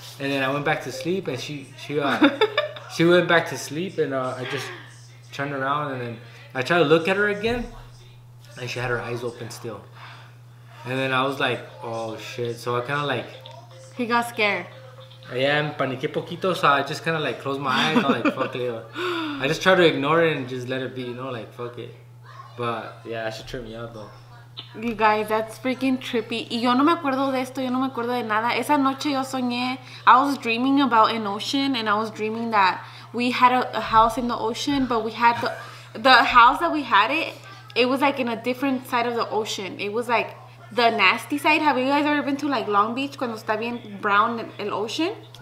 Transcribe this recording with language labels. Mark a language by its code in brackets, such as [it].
[en] And then I went back to sleep, and she went back to sleep, and I just turned around, and then I tried to look at her again, and she had her eyes open still. And then I was like, oh, shit. So I kind of like... He got scared. Yeah, [es] me paniqué poquito, [en] so I just kind of like closed my eyes. I'm like, fuck it. I just tried to ignore it and just let it be, you know, like, fuck it. But, yeah, she tripped me out, though. You guys, that's freaking trippy. [es] Y yo no me acuerdo de esto, yo no me acuerdo de nada. Esa noche yo soñé, [en] I was dreaming about an ocean, and I was dreaming that we had a house in the ocean, but we had the house that we had it, it was like in a different side of the ocean. It was like the nasty side. Have you guys ever been to like Long Beach, [es] cuando está bien [en] brown el ocean?